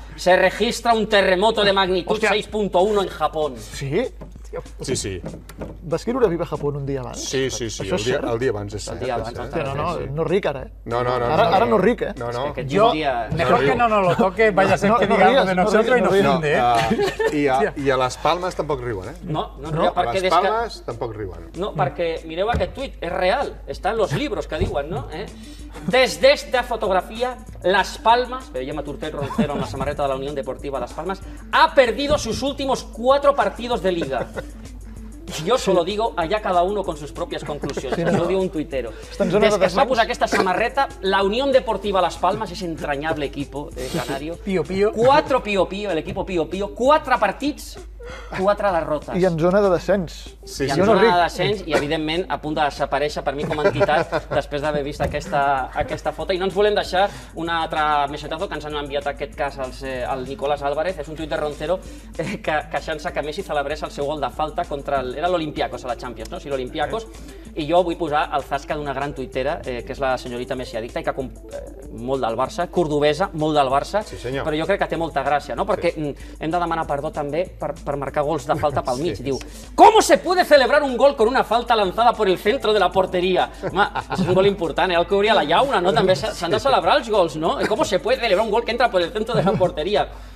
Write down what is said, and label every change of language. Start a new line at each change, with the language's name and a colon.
Spanish: Se registra un terremoto de magnitud 6.1 en Japón. Sí? Sí, sí.
Catalan: Va escriure Viva Japón un dia abans? Sí, sí, sí, el dia abans és cert. El dia abans. No ric ara, eh? No. Ara no ric, eh? No.
Spanish: Jo, mejor que no lo toque, vaya a ser que diga de nosotros y nos funde,
Catalan: I a les Palmes tampoc riuen, eh? No. A les Palmes tampoc riuen. No, perquè mireu aquest tuit, és real, està
Spanish: en los libros
Catalan: que diuen, no?
Spanish: Desde esta fotografía, Las Palmas,
Catalan: veiem a Tortell Roncero amb la samarreta de la
Spanish: Unión Deportiva Las Palmas, ha perdido sus últimos 4 partidos de liga. Jo solo digo allà cada uno con sus propias conclusiones.
Catalan: Això ho diu un tuitero. Des que es va posar aquesta samarreta, la Unión Deportiva Las Palmas,
Spanish: ese entrañable equipo canario,
Catalan: 4 Pío Pío,
Spanish: el equipo Pío Pío,
Catalan: 4 partits 4 derrotes. I en zona de descens. Sí, sí, i en zona de descens i, evidentment, a punt de desaparèixer per mi com a entitat després d'haver vist aquesta foto. I no ens volem deixar un altre mesetazo que ens han enviat aquest cas al Nicolás Álvarez. És un tuit de Roncero queixant-se que Messi celebrés el seu gol de falta contra era l'Olympiacos a la Champions, no? Sí, l'Olympiacos. I jo vull posar el zasca d'una gran tuitera, que és la senyorita Messi Addicta, i que molt del Barça, cordobesa, molt del Barça, sí, senyor. Però jo crec que té molta gràcia, no? Perquè sí. Hem de demanar perdó també per marcar gols de falta pel mig. Sí.
Spanish: Diu, ¿cómo se puede celebrar un gol con una falta lanzada por el centro de la portería?
Catalan: Home, és un gol important, el que obria la llauna, no? També s'han de celebrar els gols, no?
Spanish: ¿Cómo se puede celebrar un gol que entra por el centro de la portería?